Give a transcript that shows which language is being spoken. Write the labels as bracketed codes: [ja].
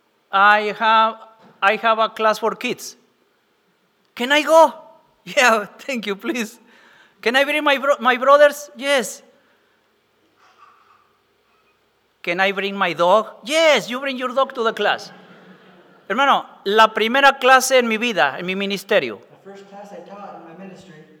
[en] I have a class for kids. Can I go? Yeah, thank you, please. Can I bring my brothers? Yes. Can I bring my dog? Yes, you bring your dog to the class. [es] Hermano, la primera clase en mi vida, en mi ministerio. [en] The first class I taught in my ministry.